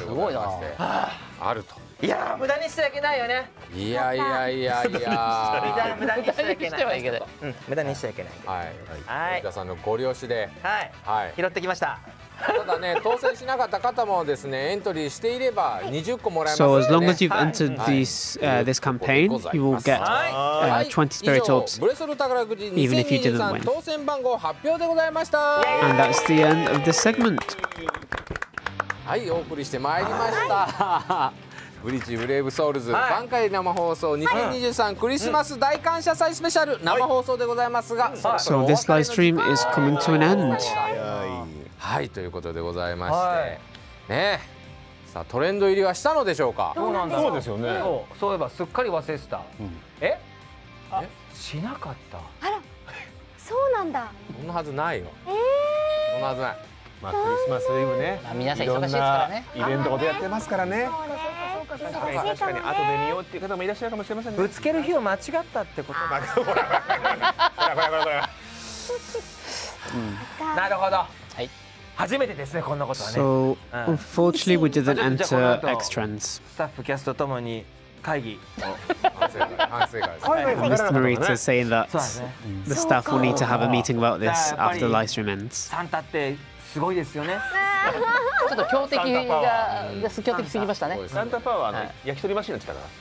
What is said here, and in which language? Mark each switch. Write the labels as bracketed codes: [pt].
[ja] すごいな。あると。いや、無駄にしちゃいけないよね。いやいやいやいや。無駄にしちゃいけない。無駄にしちゃいけない。はい。はい。皆さんのご了承で。はい。拾ってきました。ただね、当選しなかった方もですね、エントリーしていれば20個もらえますよね。 [en] So as long as you've entered this campaign, you will get 20 Spirit Orbs. [ja] ブレソル宝くじ2023当選番号発表でございました。 [en] And that's the end of the segment. [ja] はい、お送りしてまいりました。ブリッジブレイブソウルズ挽回生放送2023クリスマス大感謝祭スペシャル生放送でございますが、 [en] So this live stream is coming to an end. [ja] はい、ということでございまして、はい、ねえ、さあトレンド入りはしたのでしょうか。どうなんだろう。そうですよね。そういえばすっかり忘れてた、うん、えしなかった。あら、そうなんだ。そんなはずないよ。そんなはずない。まあクリスマスイブね、皆さん忙しいですからね、イベントごとやってますからね。確かに後で見ようっていう方もいらっしゃるかもしれませんね。ぶつける日を間違ったってことだ。ほらなるほど。はい、初めてですね、こんなことはね。 [en] So, unfortunately, we didn't enter extrans. [ja] スタッフ、キャストともに会議 [en] を。Mr. Morita is saying that the staff will need to have a meeting about this after the live stream ends. [ja] サンタってすごいですよね。ちょっと強敵が、強敵すぎましたね。サンタパワーは焼き鳥マシンの力。